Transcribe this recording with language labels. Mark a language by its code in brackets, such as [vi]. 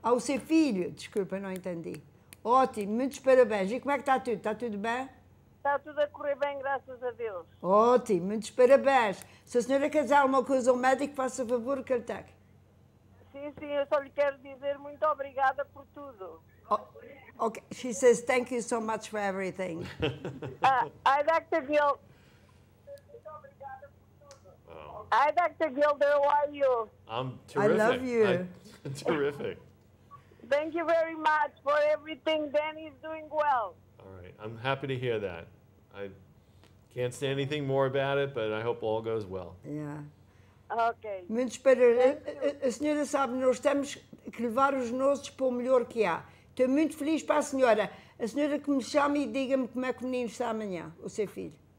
[pt] Ah, o seu filho, desculpa, não entendi. Ótimo, muitos parabéns. E como é que está tudo? Está tudo bem? Está tudo a correr bem, graças a Deus. Ótimo, muitos parabéns. Se a senhora quiser alguma coisa ao médico, faça favor que ele tenha. Sim, eu só lhe quero dizer muito obrigada por tudo. [en] Oh, okay, she says thank you so much for everything. Hi, Dr. Gilder. Oh. Hi, Dr. Gilder, how are you? I'm terrific. I love you. Terrific. Thank you very much for everything. Danny's doing well. All right, I'm happy to hear that. I can't say anything more about it, but I hope all goes well. Yeah. Ok. [pt] Muitos parabéns. A senhora sabe, nós temos que levar os nossos para o melhor que há. Estou muito feliz para a senhora. A senhora que me chame e diga-me como é que o menino está amanhã, o seu filho.